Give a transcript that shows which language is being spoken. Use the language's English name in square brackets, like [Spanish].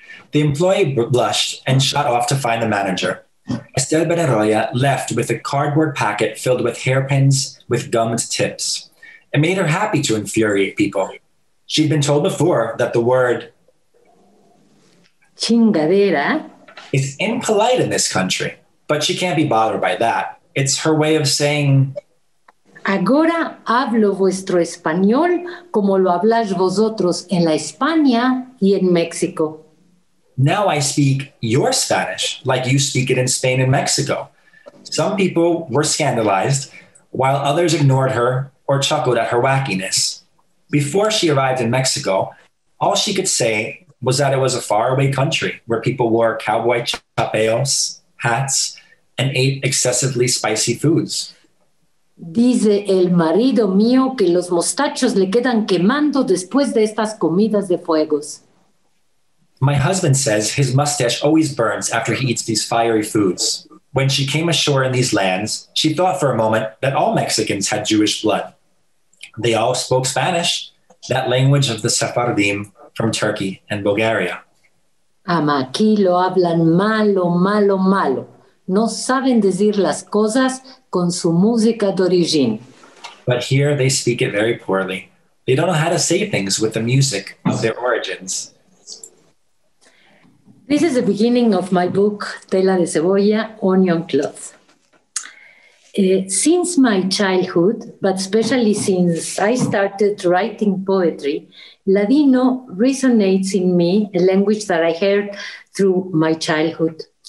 [English] The employee blushed and shot off to find the manager. Esther Benaroya left with a cardboard packet filled with hairpins with gummed tips. It made her happy to infuriate people. She'd been told before that the word [Spanish] chingadera [English] is impolite in this country, but she can't be bothered by that. It's her way of saying, [Spanish] ahora hablo vuestro español como lo habláis vosotros en la España y en México. [English] Now I speak your Spanish like you speak it in Spain and Mexico. Some people were scandalized, while others ignored her or chuckled at her wackiness. before she arrived in Mexico, all she could say was that it was a faraway country where people wore cowboy chapeos, hats, and ate excessively spicy foods. [Ladino] Dice el marido mío que los mostachos le quedan quemando después de estas comidas de fuegos. [English] My husband says his mustache always burns after he eats these fiery foods. When she came ashore in these lands, she thought for a moment that all Mexicans had Jewish blood. They all spoke Spanish, that language of the Sephardim from Turkey and Bulgaria. [Ladino] Ama, aquí lo hablan malo, malo, malo. No saben decir las cosas con su música de origen. [English] But here they speak it very poorly. They don't know how to say things with the music of their origins. This is the beginning of my book, Tela de Cebolla, Onion Cloth. Since my childhood, but especially since I started writing poetry, Ladino resonates in me, a language that I heard through my childhood.